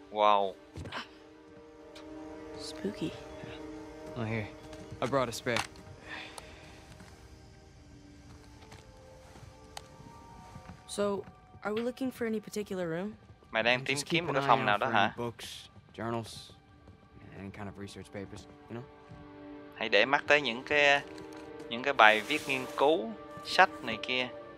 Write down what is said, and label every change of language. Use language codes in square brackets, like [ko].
[en] Wow. Spooky. Oh, here. I brought a spare. So, are we looking for any particular room? [vi] Mày đang tìm kiếm một cái phòng nào đó hả? [en] Books, journals, any kind of research papers, you know? [vi] Hãy để mắt tới những cái bài viết nghiên cứu, sách này kia.